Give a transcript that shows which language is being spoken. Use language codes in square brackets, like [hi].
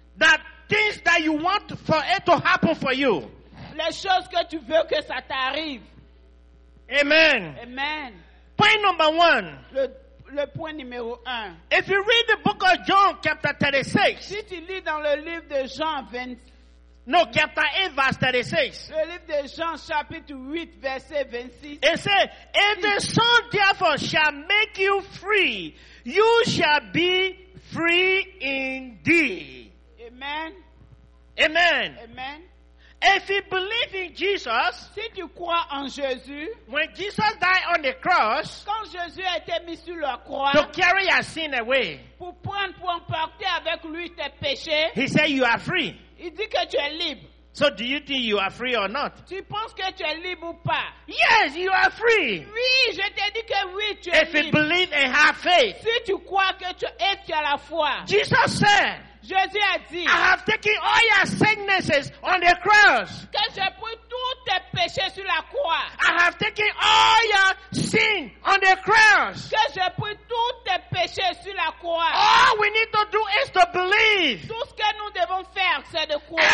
[en] That things that you want for it to happen for you. [fr] Les choses que tu veux que ça t'arrive. [en] Amen. [fr] Amen. [en] Point number one. [fr] Le point numéro un. [en] If you read the book of John, chapter 36. [fr] Si tu lis dans le livre de Jean 26. [en] No, chapter 8, verse 36. [fr] Le livre de Jean, chapitre 8, verset 26. [en] It says, if the Son therefore shall make you free, you shall be free indeed. Amen. [fr] Amen. [en] Amen. If you believe in Jesus, [fr] si tu crois en Jésus, [en] when Jesus died on the cross, [fr] quand Jésus a été mis sur la croix, [en] to carry your sin away, [fr] pour prendre, pour emporter avec lui tes péchés, [en] he said you are free. [fr] Il dit que tu es libre. [en] So do you think you are free or not? [fr] Tu penses que tu es libre ou pas? [en] Yes, you are free. [fr] Oui, je t'ai dit que oui, tu es libre. [en] If you believe and have faith. [fr] Si tu crois que tu es à la foi. [en] Jesus said. [fr] Jésus a dit. [en] I have taken all your sicknesses on the cross. [fr] Que j'ai pris tous tes péchés sur la croix. [en] I have taken all your sin on the cross. [fr] Que j'ai pris tous tes péchés sur la croix. [en] All we need to do is to believe. [fr] Tout ce que nous devons faire, c'est de croire.